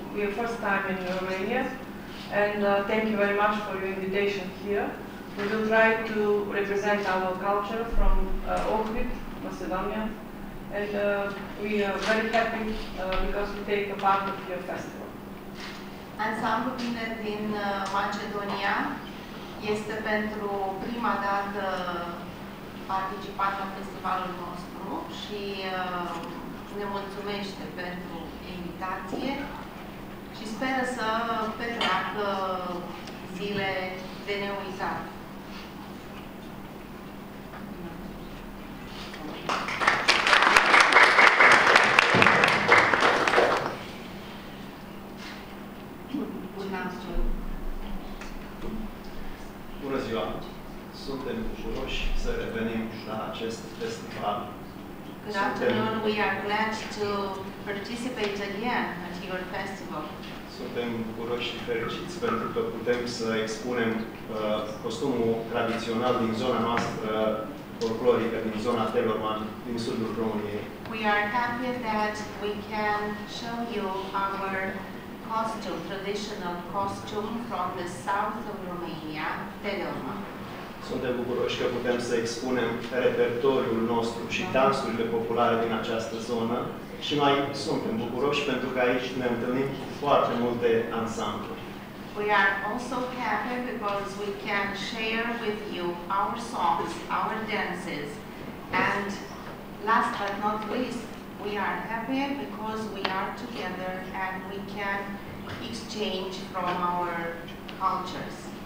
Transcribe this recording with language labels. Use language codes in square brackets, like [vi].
[en] We are first time in Romania, and thank you very much for your invitation here. We will try to represent our culture from Ohrid, Macedonia, and we are very happy because we take a part of your festival. [ro] Ansamblul vine din Macedonia. Este pentru prima dată participat la festivalul nostru și ne mulțumește pentru invitație și speră să petreacă zile de neuitat. Bună ziua! Suntem bucuroși să revenim la acest festival. [en] Good afternoon. We are glad to participate again at your festival. [ro] Suntem bucuroși și fericiți pentru că putem să expunem costumul tradițional din zona noastră folclorică, din zona Telorman, din sudul României. [en] We are happy that we can show you our costume, traditional costume from the south of Romania, Telorman. [ro] Suntem bucuroși că putem să expunem repertoriul nostru și dansurile populare din această zonă și mai suntem bucuroși pentru că aici ne întâlnim foarte multe ansambluri. [en] We are also happy because we can share with you our songs, our dances, and last but not least, we are happy because we are together and we can exchange from our cultures.